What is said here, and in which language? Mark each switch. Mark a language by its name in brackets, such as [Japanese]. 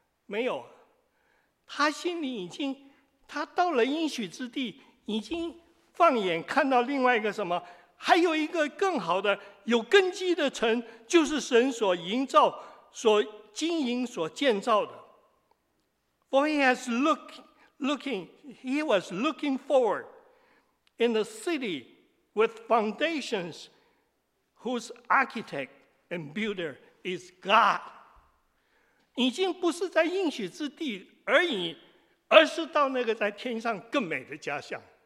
[Chinese] 没有，他心里已经，他到了应许之地已经放眼看到另外一个什么，还有一个更好的有根基的城，就是神所营造所经营所建造的。 [English] For he has looking forward in the city with foundations whose architect and builder is God。 [Chinese] 已经不是在应许之地而已，而是到那个在天上更美的家乡。